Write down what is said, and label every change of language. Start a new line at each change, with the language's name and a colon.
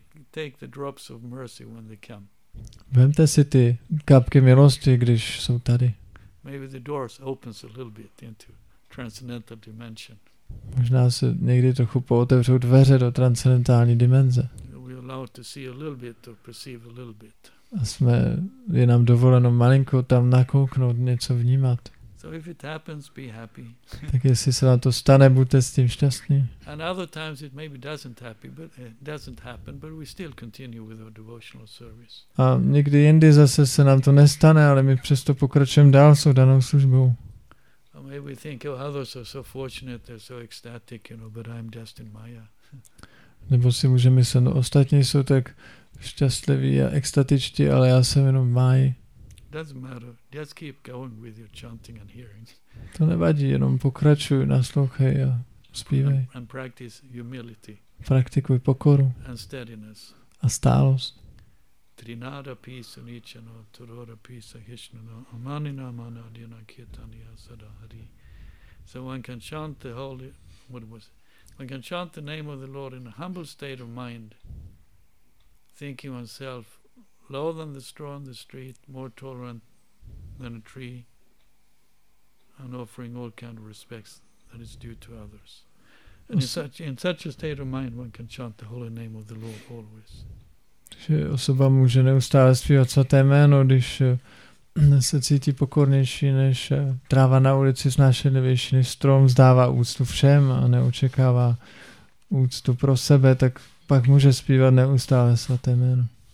English: Take the drops of mercy when they come.
Czech: Vemte si ty kapky milosti, když jsou tady.
English: Maybe the doors opens a little bit into transcendental dimension.
Czech: Možná se někdy trochu pootevřou dveře do transcendentální dimenze.
English: We are allowed to see a little bit or perceive a little bit.
Czech: A jsme, je nám dovoleno malinko tam nakouknout, něco vnímat.
English: So if it happens, be happy.
Czech: Tak jestli se nám to stane, buďte s tím šťastní.
English: And other times it maybe doesn't happen, but we still continue with our devotional service.
Czech: A někdy jindy zase se nám to nestane, ale my přesto pokračujeme dál s danou službou.
English: Or maybe we think, oh, others are so fortunate, they're so ecstatic, you know, but I'm just in Maya.
Czech: Nebo si můžeme myslet, no, ostatní jsou tak šťastliví a extatičtí, ale já jsem jenom v Maji.
English: Doesn't matter. Just keep going with your chanting and hearing.
Czech: To nevadí, jenom pokračuj, naslouchej a zpívej.
English: And practice humility.
Czech: Praktikuj pokoru.
English: And steadiness.
Czech: A stálost.
Sanskrit: Trinada pisa nichano, torora pisa hishnano, amanina amana adhyana kirtaniya sada hari.
English: So one can chant the holy, what was it? One can chant the name of the Lord in a humble state of mind, thinking oneself lower than the straw on the street, more tolerant than a tree, and offering all kind of respects that is due to others. And in such a state of mind, one can chant the holy name of the Lord always.
Czech: Že osoba může neustále zpívat svaté jméno, když se cítí pokornější než tráva na ulici, snášenlivější než strom, vzdává úctu všem a neočekává úctu pro sebe, tak pak může zpívat neustále svaté jméno.